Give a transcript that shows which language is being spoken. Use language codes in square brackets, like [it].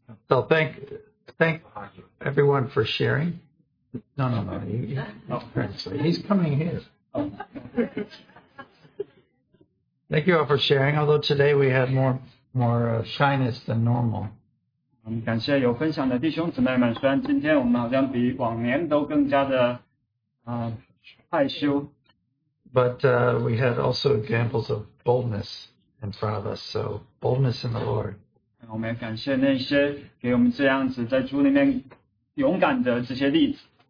[en] So thank everyone for sharing. No. He's coming here. Thank you all for sharing, although today we had more shyness than normal. [zh] 感谢有分享的弟兄姊妹们, 虽然今天我们好像比往年都更加的, 害羞, [en] but we had also examples of boldness in front of us, so boldness in the Lord. [zh] 我们也感谢那些给我们这样子在主里面勇敢的这些例子。